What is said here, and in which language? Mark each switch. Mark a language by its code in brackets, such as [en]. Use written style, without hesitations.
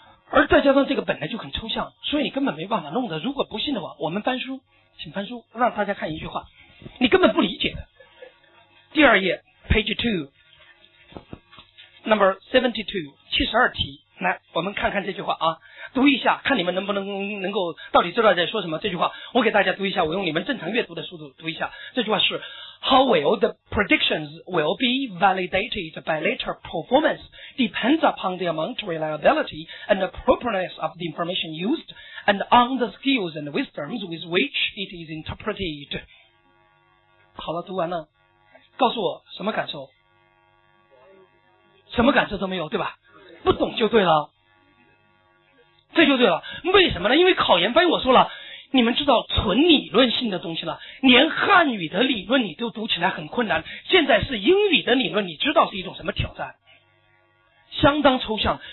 [zh] 而再加上这个本来就很抽象，所以你根本没办法弄的。如果不信的话，我们翻书，请翻书，让大家看一句话，你根本不理解的。第二页 [en] page 2 number 72 [zh] 72题，来，我们看看这句话啊，读一下，看你们能够到底知道在说什么。这句话我给大家读一下，我用你们正常阅读的速度读一下。这句话是 [en] How well the predictions will be validated by later performance depends upon the amount of reliability and appropriateness of the information used and on the skills and wisdoms with which it is interpreted。 [zh] 好了，读完了，告诉我什么感受。什么感受都没有，对吧？不懂就对了，这就对了。为什么呢？因为考研翻译我说了，你们知道纯理论性的东西了，连汉语的理论你都读起来很困难，现在是英语的理论，你知道是一种什么挑战，相当抽象。